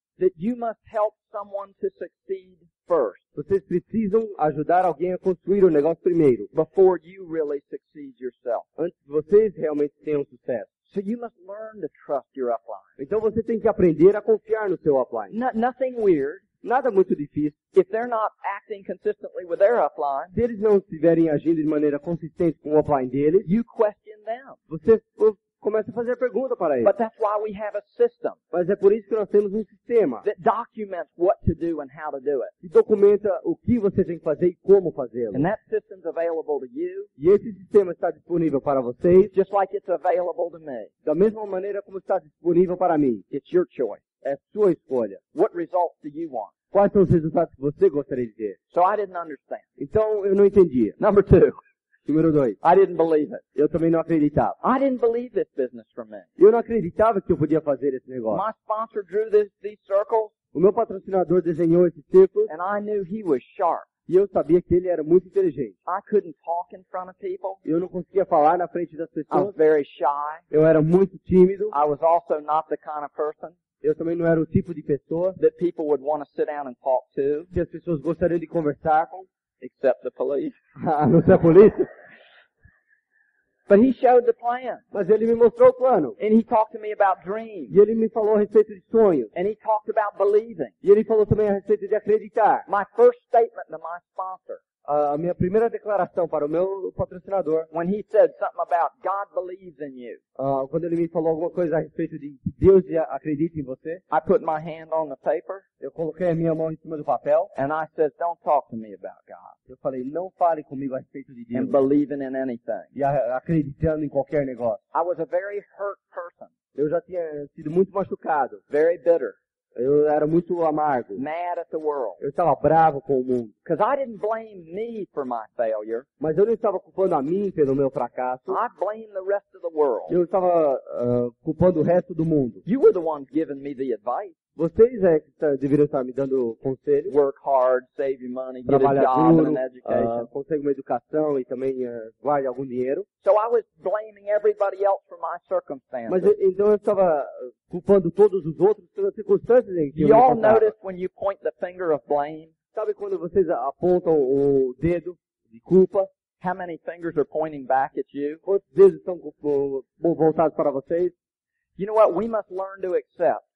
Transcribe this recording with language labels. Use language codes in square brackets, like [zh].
[en] That you must help someone to succeed first. [pt] Vocês precisam ajudar alguém a construir o negócio primeiro. [en] Before you really succeed yourself. [pt] Antes de vocês realmente tenham sucesso. [en] So you must learn to trust your upline. [pt] Então você tem que aprender a confiar no seu upline. [en] Nothing weird. [pt] Nada muito difícil. [en] If they're not acting consistently with their upline, [pt] se eles não estiverem agindo de maneira consistente com o upline deles, [en] you question them. [pt] Você começa a fazer pergunta para eles. [en] But that's why we have a system. [pt] Mas é por isso que nós temos um sistema. [en] That documents what to do and how to do it. [pt] Que documenta o que você tem que fazer e como fazê-lo. [en] And that system's available to you. [pt] E esse sistema está disponível para vocês. [en] Just like it's available to me. [pt] Da mesma maneira como está disponível para mim. [en] It's your choice. [pt] É sua escolha. [en] What results do you want? [pt] Quais são os resultados que você gostaria de ter? [en] So I didn't understand. [pt] Então eu não entendia. [en] Number two. [pt] Número dois. [en] I didn't believe it. [pt] Eu também não acreditava. [en] I didn't believe this business for me. [pt] Eu não acreditava que eu podia fazer esse negócio. [en] My sponsor drew these circles. [pt] O meu patrocinador desenhou esses círculos. [en] And I knew he was sharp. [pt] E eu sabia que ele era muito inteligente. [en] I couldn't talk in front of people. [pt] Eu não conseguia falar na frente das pessoas. [en] I was very shy. [pt] Eu era muito tímido. [en] I was also not the kind of person. [pt] Eu também não era o tipo de pessoa [en] that people would want to sit down and talk to, [pt] que as pessoas gostariam de conversar com, [en] except the police. [pt] A não ser a polícia. [en] But he showed the plan. [pt] Mas ele me mostrou o plano. [en] And he talked to me about dreams. [pt] E ele me falou a respeito de sonhos. [en] And he talked about believing. [pt] E ele falou também a respeito de acreditar. [en] My first statement to my sponsor. [pt] A minha primeira declaração para o meu patrocinador. [en] When he said something about God believes in you. [pt] Quando ele me falou alguma coisa a respeito de que Deus acredita em você. [en] I put my hand on the paper. [pt] Eu coloquei a minha mão em cima do papel. [en] And I said, don't talk to me about God. [pt] Eu falei, não fale comigo a respeito de Deus. [en] And believing in anything. [pt] E acreditando em qualquer negócio. [en] I was a very hurt person. [pt] Eu já tinha sido muito machucado. [en] Very bitter. [pt] Eu era muito amargo. [en] Mad at the world. [pt] Eu estava bravo com o mundo. [en] Because I didn't blame me for my failure. [pt] Mas eu não estava culpando a mim pelo meu fracasso. [en] I blame the rest of the world. [pt] Eu estava culpando o resto do mundo. [en] You were the ones giving me the advice. [pt] Vocês é que deveriam estar me dando conselho. [en] Work hard, save your money, [pt] trabalhar [en] get a [pt] duro, [en] job and an education. [pt] Consegue uma educação e também guarde algum dinheiro. [en] So I was blaming everybody else for my circumstances. [pt] Mas então eu estava culpando todos os outros pelas circunstâncias em que [en] you [pt] eu me [en] all notice when you point the finger of blame? [pt] Sabe quando vocês apontam o dedo de culpa? [en] How many fingers are pointing back at you? [pt] Quantos dedos estão voltados para vocês? [en] You know what? We must learn to accept.